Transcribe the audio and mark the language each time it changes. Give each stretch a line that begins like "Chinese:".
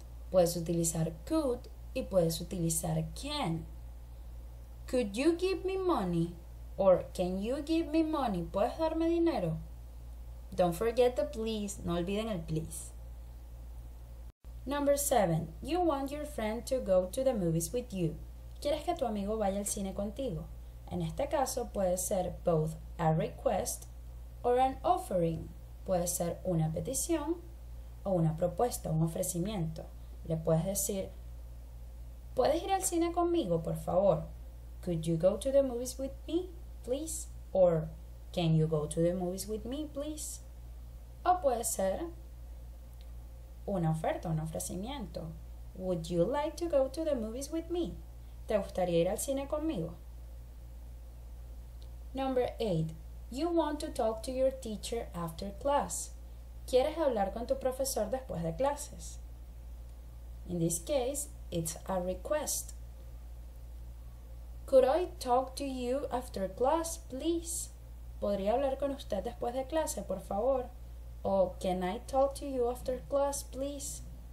Spanish: Puedes utilizar could y puedes utilizar can.
English: Could you give me money? Or can you give me money?
Spanish: ¿Puedes darme dinero?
English: Don't forget the please.
Spanish: No olviden el please.
English: Number 7. You want your friend to go to the movies with you.
Spanish: ¿Quieres que tu amigo vaya al cine contigo? En este caso puede ser
English: both a request or an offering.
Spanish: Puede ser una petición o una propuesta, un ofrecimiento. Le puedes decir, ¿puedes ir al cine conmigo, por favor?
English: Could you go to the movies with me, please? Or, can you go to the movies with me, please?
Spanish: O puede ser una oferta, un ofrecimiento.
English: Would you like to go to the movies with me?
Spanish: ¿Te gustaría ir al cine conmigo?
English: Number 8. You want to talk to your teacher after class.
Spanish: ¿Quieres hablar con tu profesor después de clases?
English: In this case, it's a request. Could I talk to you after class, please?
Spanish: ¿Podría hablar con usted después de clase, por favor?
English: O, can I talk to you after class, please?